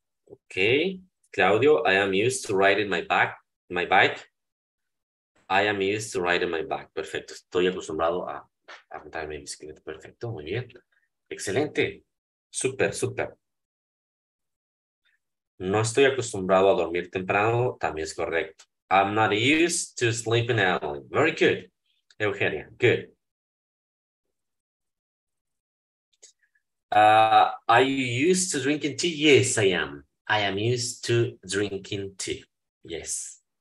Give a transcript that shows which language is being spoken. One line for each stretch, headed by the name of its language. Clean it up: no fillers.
English: Ok, Claudio, I am used to riding my bike. I am used to riding my bike.
Spanish: Perfecto, estoy acostumbrado a montar mi bicicleta. Perfecto, muy bien. Excelente. Súper, súper. No estoy acostumbrado a dormir temprano, también es correcto.
English: I'm not used to sleeping early. Very good, Eugenia. Good. Are you used to drinking tea? Yes, I am. I am used to drinking tea. Yes.